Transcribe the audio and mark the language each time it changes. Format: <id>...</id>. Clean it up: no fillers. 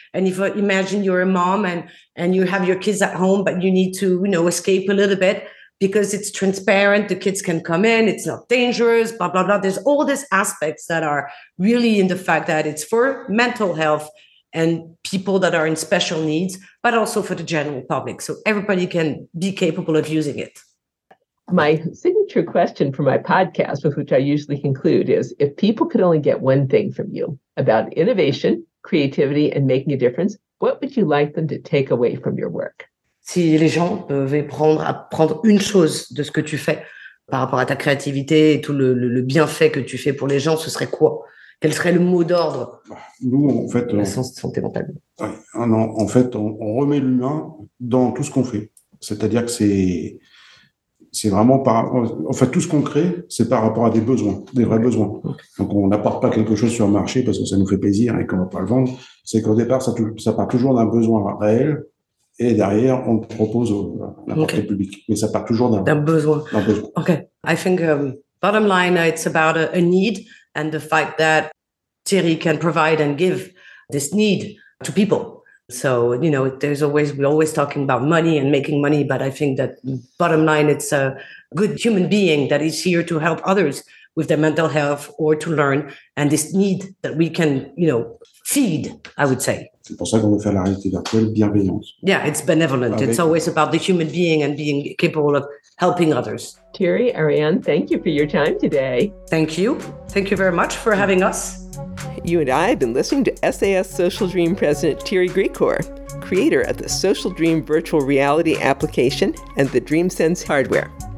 <en>And if you imagine you're a mom and you have your kids at home, but you need to, you know, escape a little bit, because it's transparent, the kids can come in, it's not dangerous, blah, blah, blah. There's all these aspects that are really in the fact that it's for mental health and people that are in special needs, but also for the general public. So everybody can be capable of using it. My signature question for my podcast, with which I usually conclude, is if people could only get one thing from you about innovation, creativity, and making a difference, what would you like them to take away from your work?</en> <fr>Si les gens devaient apprendre une chose de ce que tu fais par rapport à ta créativité et tout le bienfait que tu fais pour les gens, ce serait quoi? Quel serait le mot d'ordre? Nous, en fait, santé mentale. En fait, on remet l'humain dans tout ce qu'on fait. C'est-à-dire que c'est vraiment par. En fait, tout ce qu'on crée, c'est par rapport à des besoins, des vrais besoins. Donc, on n'apporte pas quelque chose sur le marché parce que ça nous fait plaisir et qu'on ne va pas le vendre. C'est qu'au départ, ça part toujours d'un besoin réel. Et derrière, on propose au public. Mais ça part toujours d'un besoin. D'un besoin.</fr> <en>Okay. I think bottom line, it's about a need and the fact that Thierry can provide and give this need to people. So, you know, there's always, we're always talking about money and making money, but I think that bottom line, it's a good human being that is here to help others with their mental health or to learn. And this need that we can, you know, feed, I would say.</en> <fr>C'est pour ça qu'on veut faire la réalité virtuelle bienveillante.</fr> <en>Yeah, it's benevolent. It's always about the human being and being capable of helping others. Thierry, Ariane, thank you for your time today. Thank you. Thank you very much for having us. You and I have been listening to SAS Social Dream President Thierry Gricourt, creator of the Social Dream virtual reality application and the DreamSense hardware.</en>